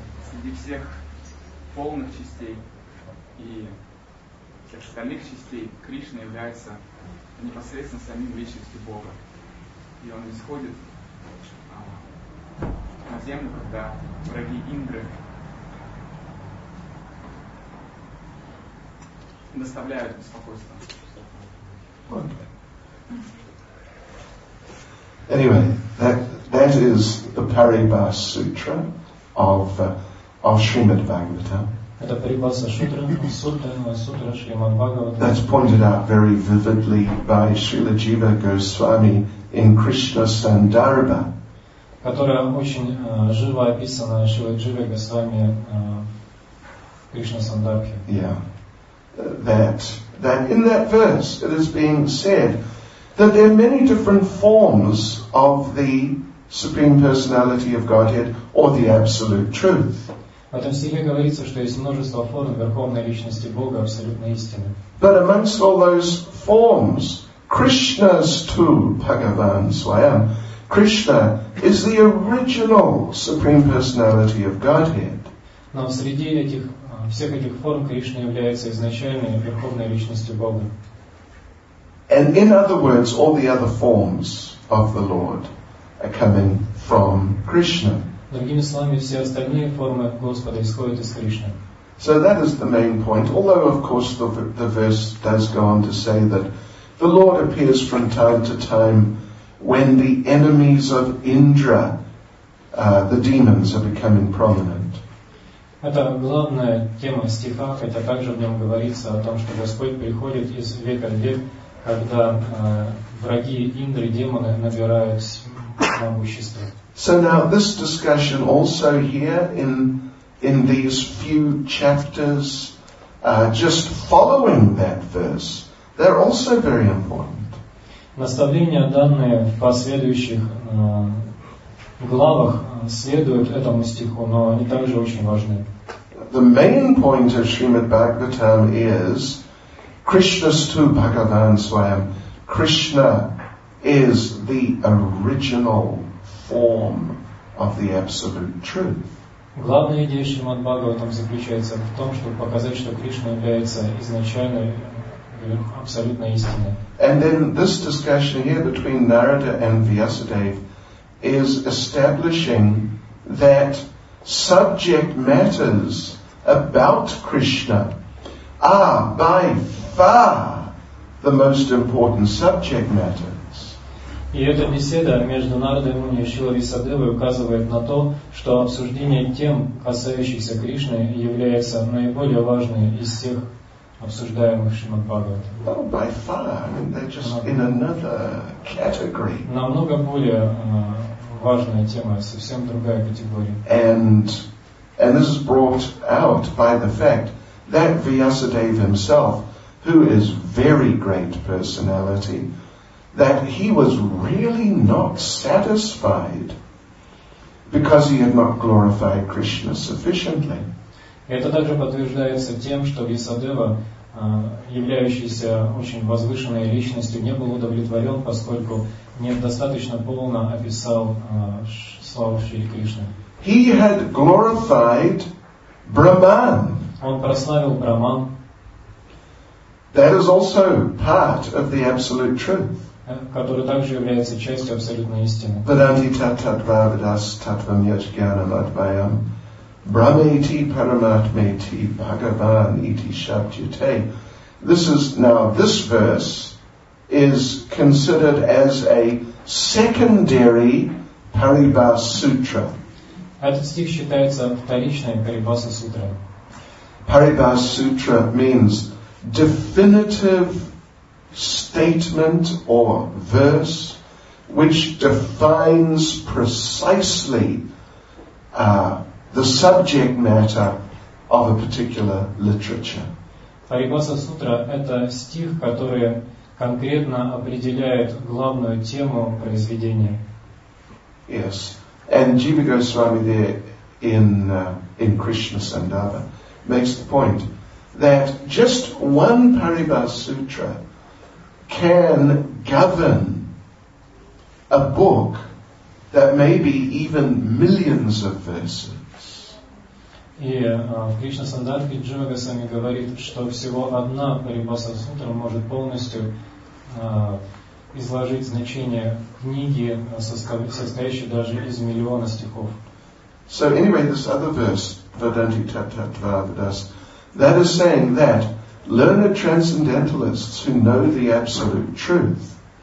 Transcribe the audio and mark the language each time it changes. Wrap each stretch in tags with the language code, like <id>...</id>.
<ru>Среди всех полных частей и всех остальных частей Кришна является непосредственно самим личностью Бога. И он исходит на землю, когда враги Индры доставляют беспокойство.</ru> <en>Okay. Anyway, that is the Paribhasa Sutra of Srimad Bhagavatam.</en> <ru>Это Paribhasa Sutra, сутра Шримад Бхагаватам.</ru> <en>That's pointed out very vividly by Srila Jiva Goswami in Krishna Sandarbha.</en> <ru>Которая очень живо описана Шрила Джива Госвами Кришна Сандарбхе.</ru> <en>Yeah. That in that verse it is being said that there are many different forms of the Supreme Personality of Godhead or the Absolute Truth.</en> <ru>В этом стихе говорится, что есть множество форм Верховной Личности Бога, Абсолютной Истины.</ru> <en>But amongst all those forms,</en> <sa>Krishna's too, Bhagavan Swayam,</sa> <en>Krishna is the original Supreme Personality of Godhead.</en> <ru>Но среди этих всех этих форм Кришна является изначальной Верховной Личностью Бога.</ru> <en>And in other words, all the other forms of the Lord are coming from Krishna.</en> <ru>Другими словами, все остальные формы Господа исходят из Кришны.</ru> <en>So that is the main point. Although, of course, the verse does go on to say that the Lord appears from time to time when the enemies of Indra, the demons, are becoming prominent.</en> <ru>Это главная тема стиха, хотя также в нем говорится о том, что Господь приходит из века в век, когда враги Индры, демоны, набирают могущество.</ru> <en>So now this discussion also here in these few chapters, just following that verse, they're also very important.</en> <ru>Наставления, данные в последующих главах, следуют этому стиху, но они также очень важны.</ru> <en>The main point of Srimad Bhagavatam is</en> <sa>Krishna's tu Bhagavan Swayam.</sa> <en>Krishna is the original form of the Absolute Truth.</en> <ru>Главная идея Шримад Бхагаватам заключается в том, чтобы показать, что Кришна является изначальной абсолютной истиной.</ru> <en>And then this discussion here between Narada and Vyasadeva is establishing that subject matters about Krishna are by far the most important subject matter.</en> <ru>И эта беседа между Нарадой и Муни и Шрилой Висадевой указывает на то, что обсуждение тем, касающихся Кришны, является наиболее важной из всех обсуждаемых Шримад Бхагаватам.</ru> <en>Well, by far, I mean, they're just in another category.</en> <ru>Намного более важная тема, совсем другая категория.</ru> <en>And this is brought out by the fact that Vyasadeva himself, who is very great personality, that he was really not satisfied because he had not glorified Krishna sufficiently.</en> <ru>Это также подтверждается тем, что Висадева, являющийся очень возвышенной личностью, не был удовлетворен, поскольку недостаточно полно описал славу Шри Кришны.</ru> <en>He had glorified Brahman.</en> <ru>Он прославил Брахман.</ru> <en>That is also part of the Absolute Truth.</en> <ru>Который также является частью абсолютной истины.</ru> <sa>Vedanti tattvavadas tattvam yajnanam advayam brahmeti paramatmeti bhagavan iti shabdyate.</sa> <en>This is now, this verse is considered as a secondary Paribhasa Sutra.</en> <ru>Этот стих считается вторичной Paribhasa Sutra.</ru> <en>Paribhasa Sutra means definitive statement or verse which defines precisely the subject matter of a particular literature.</en> <ru>Paribhasa Sutra – это стих, который конкретно определяет главную тему произведения.</ru> <en>Yes, and Jiva Goswami there in Krishna Sandarbha makes the point that just one Paribhasa Sutra can govern a book that may be even millions of verses.</en> <ru>И в Кришна Сандарте Джога Сами говорит, что всего одна Парибаса Сутра может полностью изложить значение книги, состоящей даже из миллиона стихов.</ru> <en>So anyway, this other verse, Vedanti Tattvavadas, that is saying that learned transcendentalists who know the absolute truth.</en>